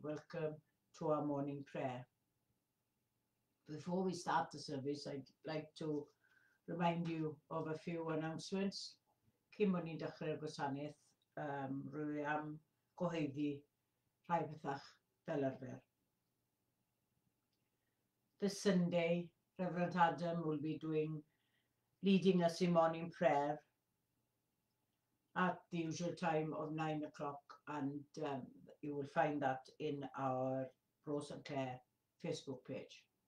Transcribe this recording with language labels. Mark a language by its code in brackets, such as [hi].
[en] Welcome to our morning prayer. Before we start the service, I'd like to remind you of a few announcements. [cy] Cyn bod ni'n dechrau'r gwasanaeth, rwy am gyhoeddi rhai bethach fel arfer. [en] This Sunday, Reverend Adam will be leading us in morning prayer at the usual time of 9 o'clock, and you will find that in our Rose and Claire Facebook page.